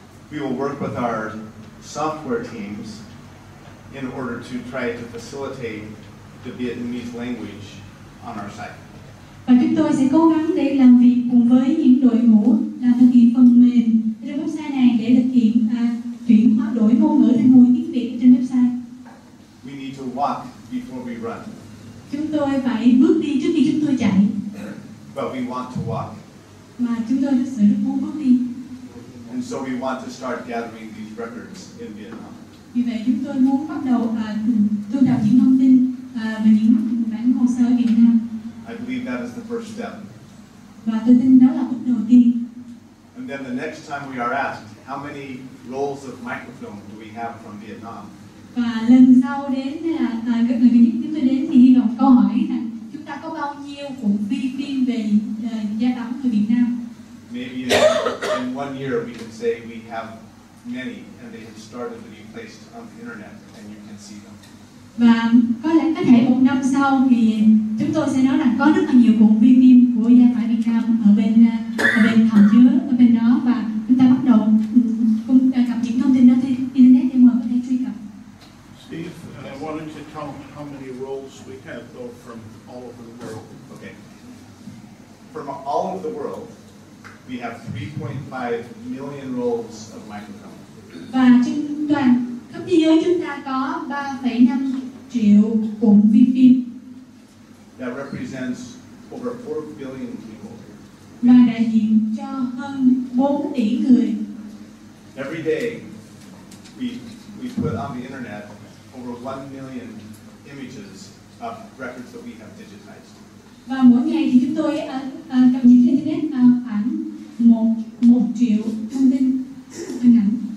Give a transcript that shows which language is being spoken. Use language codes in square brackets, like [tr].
[en] We will work with our software teams in order to try to facilitate the Vietnamese language on our site. [vi] Và chúng tôi sẽ cố gắng để làm việc cùng với những đội ngũ làm thực hiện phần mềm trên website này để thực hiện chuyển hóa đổi ngôn ngữ thành ngôn ngữ tiếng Việt trên website. [en] We need to walk before we run. [vi] Chúng tôi phải bước đi trước khi chúng tôi chạy. [en] But we want to walk. [vi] Mà chúng tôi thực sự muốn bước đi. [en] And so we want to start gathering these records in Vietnam. [vi] Vì vậy chúng tôi muốn bắt đầu thu thập những thông tin về những bản hồ sơ ở Việt Nam. [en] I believe that is the first step. [vi] Và tôi tin đó là bước đầu tiên. [en] And then the next time we are asked, how many rolls of microfilm do we have from Vietnam? [vi] Và lần sau đến là người Việt chúng tôi đến thì hy vọng câu hỏi là chúng ta có bao nhiêu cuộn phim về gia đóng từ Việt Nam? [en] Maybe in 1 year we can say we have many and they have started to be placed on the internet and you can see them. [vi] Và có thể một năm sau thì chúng tôi sẽ nói rằng có rất là nhiều cuộn phim của gia tài Việt Nam ở bên hòm chứa ở bên đó và chúng ta bắt đầu cung cập những thông tin đó trên internet để mọi người có thể truy cập. [en] Steve, I wanted to tell how many roles we have though from all over the world. Okay. From all over the world, we have 3.5 million rolls of microfilm. [vi] Và trên toàn khắp thế giới chúng ta có 3,5 triệu cuộn phim. [en] That represents over 4 billion people. [vi] Mà đại diện cho hơn 4 tỷ người. [en] Every day, we put on the internet over 1 million images of records that we have digitized. [vi] Và mỗi ngày thì chúng tôi cập nhật trên internet khoảng 1 triệu thông tin hình ảnh.